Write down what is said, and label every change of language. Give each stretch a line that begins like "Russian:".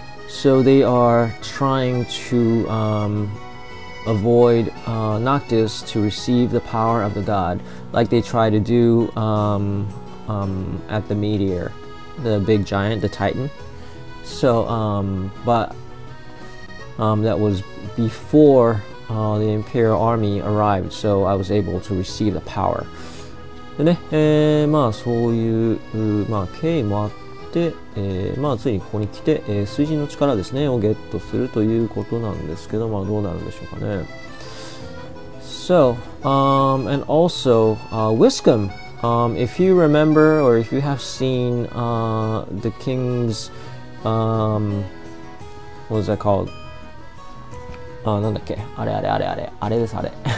English: So they are trying to avoid Noctis to receive the power of the god, like they try to do at the meteor, the big giant, the Titan. So, but that was before the Imperial Army arrived, so I was able to receive the power.
Japanese: でね、まあそういう、まあ経緯もあって、でまあ、ついにここに来て、水神の力ですねをゲットするということなんですけど、まあ、どうなるんでしょうかね。
English: So, and also, Wiscombe, if you remember or if you have seen the king's, what was that called?
Japanese: なんだっけ、あれあれあれあれ、あれですあれ。